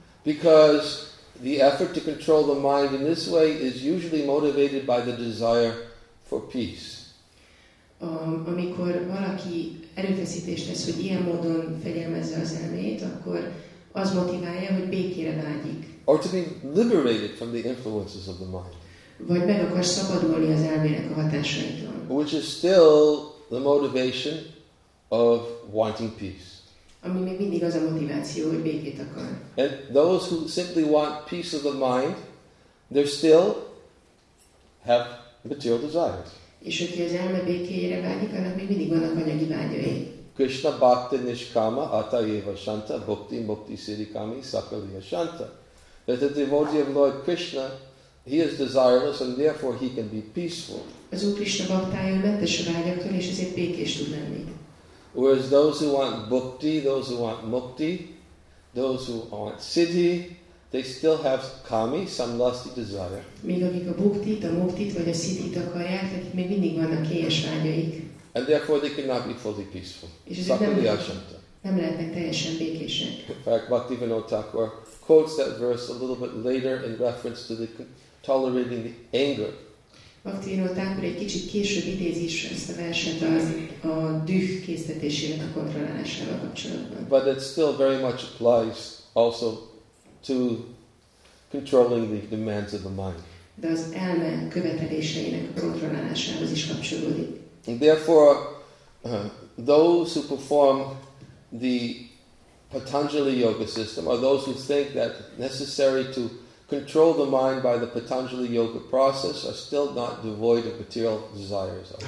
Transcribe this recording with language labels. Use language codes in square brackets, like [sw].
[en] Because the effort to control the mind in this way is usually motivated by the desire for peace. [hu] Amikor valaki erőfeszítést tesz, hogy ilyen módon fegyelmezze az elmét, akkor az motiválja, hogy békére vágyik. [en] Or to be liberated from the influences of the mind. [hu] Vagy meg akar szabadulni az elmének a hatásaitól. [en] Which is still the motivation of wanting peace. [hu] Ami még mindig az a motiváció, hogy békét akar. [en] And those who simply want peace of the mind, they still have material desires. [hu] És aki az elme békéjére vágyik, annak még mindig vannak anyagi vágyai. [sa] Krishna bhakti nishkama ata eva shanta bhakti mukti sirikami sakaliya shanta. [en] That the devotee of Lord Krishna, he is desireless and therefore he can be peaceful. [hu] Az Úr Krishna bhaktája mentes a vágyaktól és ezért békés tud lenni. [en] Whereas those who want bhakti, those who want mukti, those who want siddhi, they still have kami, some lusty desire. [hu] Míg akik a bhaktit, a muktit vagy a siddhit akarják, nekik még mindig vannak kényes vágyaik. [en] And therefore they cannot be fully peaceful. [sa] Sakaliya shanta. [hu] Nem lehetnek teljesen békések. [en] In fact, Bhaktivinoda Thakur quotes that verse a little bit later in reference to the tolerating the anger. [hu] Bhaktivinoda Thakur egy kicsit később idézi is ezt a verset az a düh késztetésének a kontrollálásával kapcsolatban. [en] But it still very much applies also to controlling the demands of the mind. [hu] De az elme követeléseinek a kontrollálásához is kapcsolódik. [en] And therefore, those who perform the Patanjali yoga system are those who think that necessary to control the mind by the Patanjali yoga process are still not devoid of material desires.